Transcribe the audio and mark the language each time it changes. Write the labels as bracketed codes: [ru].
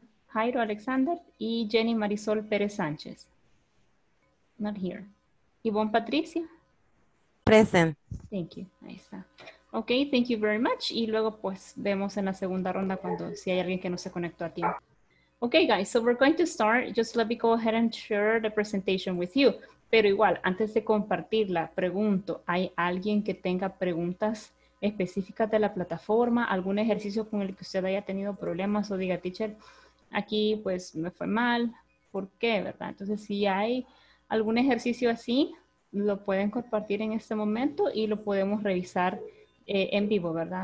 [es] Jairo Alexander. Y Jenny Marisol Pérez Sánchez. [en] Not here. [es] Ivonne Patricia. [en] Present. Thank you. [es] Ahí está. [en] Ok, thank you very much. [es] Y luego pues vemos en la segunda ronda cuando si hay alguien que no se conectó a ti. [en] Ok, guys, so we're going to start. Just let me go ahead and share the presentation with you. [es] Pero igual, antes de compartirla, pregunto, ¿hay alguien que tenga preguntas específicas de la plataforma? ¿Algún ejercicio con el que usted haya tenido problemas o diga, teacher, aquí pues me fue mal? ¿Por qué? ¿Verdad? Entonces, si hay algún ejercicio así, lo pueden compartir en este momento y lo podemos revisar en vivo, ¿verdad?